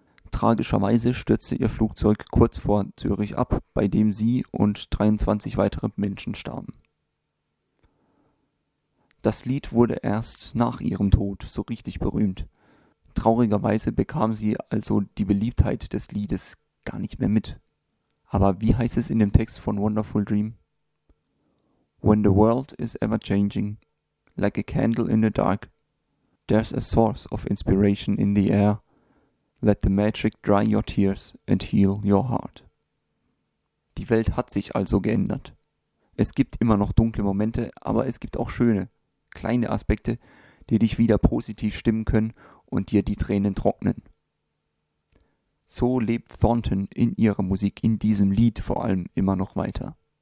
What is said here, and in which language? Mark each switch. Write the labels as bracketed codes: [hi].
[de] Tragischerweise stürzte ihr Flugzeug kurz vor Zürich ab, bei dem sie und 23 weitere Menschen starben. Das Lied wurde erst nach ihrem Tod so richtig berühmt. Traurigerweise bekam sie also die Beliebtheit des Liedes gar nicht mehr mit. Aber wie heißt es in dem Text von Wonderful Dream? [en] When the world is ever changing, like a candle in the dark, there's a source of inspiration in the air. Let the magic dry your tears and heal your heart. [de] Die Welt hat sich also geändert. Es gibt immer noch dunkle Momente, aber es gibt auch schöne, kleine Aspekte, die dich wieder positiv stimmen können und dir die Tränen trocknen. So lebt Thornton in ihrer Musik, in diesem Lied vor allem, immer noch weiter.